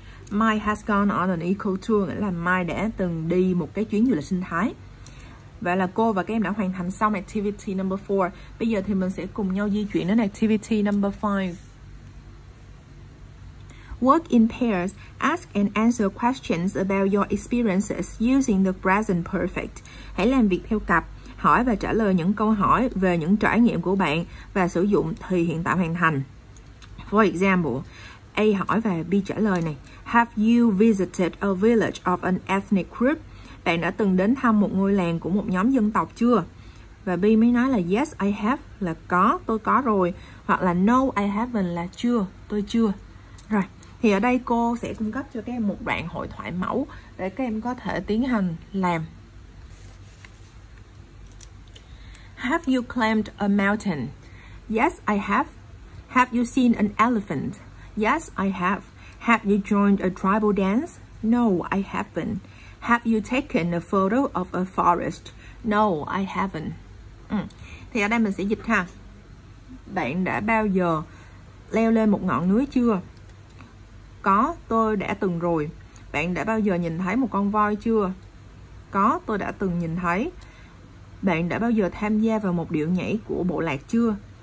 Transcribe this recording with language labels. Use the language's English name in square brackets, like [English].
[English] Mai has gone on an eco tour [Vietnamese] nghĩa là Mai đã từng đi một cái chuyến du lịch sinh thái. Vậy là cô và các em đã hoàn thành xong [English] activity number 4. [Vietnamese] Bây giờ thì mình sẽ cùng nhau di chuyển đến [English] activity number 5. Work in pairs. Ask and answer questions about your experiences using the present perfect. [Vietnamese] Hãy làm việc theo cặp, hỏi và trả lời những câu hỏi về những trải nghiệm của bạn và sử dụng thì hiện tại hoàn thành. [English] For example, [Vietnamese] A hỏi và B trả lời này. [English] Have you visited a village of an ethnic group? [Vietnamese] Bạn đã từng đến thăm một ngôi làng của một nhóm dân tộc chưa? Và B mới nói là [English] yes, I have, [Vietnamese] là có, tôi có rồi. Hoặc là [English] no, I haven't, [Vietnamese] là chưa, tôi chưa. Rồi, thì ở đây cô sẽ cung cấp cho các em một đoạn hội thoại mẫu để các em có thể tiến hành làm. [English] Have you climbed a mountain? Yes, I have. Have you seen an elephant? Yes, I have. Have you joined a tribal dance? No, I haven't. Have you taken a photo of a forest? No, I haven't. [Vietnamese] Thì ở đây mình sẽ dịch ha. Bạn đã bao giờ leo lên một ngọn núi chưa? Có, tôi đã từng rồi. Bạn đã bao giờ nhìn thấy một con voi chưa? Có, tôi đã từng nhìn thấy. Bạn đã bao giờ tham gia vào một điệu nhảy của bộ lạc chưa?